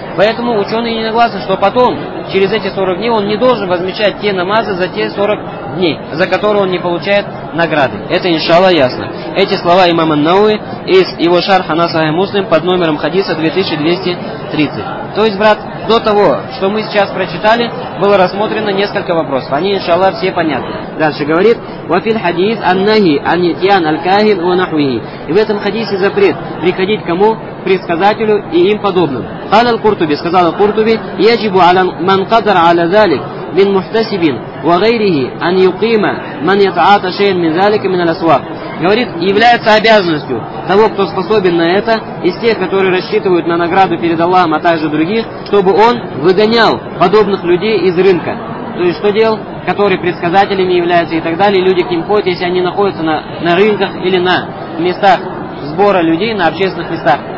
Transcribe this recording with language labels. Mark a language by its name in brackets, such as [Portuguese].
[Russian] Поэтому ученые единогласны, что потом, через эти 40 дней, он не должен возмещать те намазы за те 40 дней, за которые он не получает награды. Это, иншаллах, ясно. Эти слова имама ан-Науи из его шарха на Сахих Муслим под номером хадиса 2230. То есть, брат, до того, что мы сейчас прочитали, было рассмотрено несколько вопросов. Они, иншаллах, все понятны. Дальше говорит, [Arabic] وَفِي الْحَدِيثِ أَنَّهِ أَنْ يَتْيَانَ الْكَاهِنُ وَنَحْوِهِ. [Russian] И в этом хадисе запрет приходить кому? Предсказателю и им подобным. [Arabic] قال القرطبي, [Russian] сказал Куртуби, [Arabic] يجب على من قدر على ذلك من محتسب وغيره أن يقيم من يتعاطى شيئا من ذلك من الأسواق. [Russian] Говорит, является обязанностью того, кто способен на это, из тех, которые рассчитывают на награду перед Аллахом, а также других, чтобы он выгонял подобных людей из рынка. То есть что делал? Которые предсказателями являются и так далее, люди к ним ходят, если они находятся на рынках или на местах сбора людей, на общественных местах.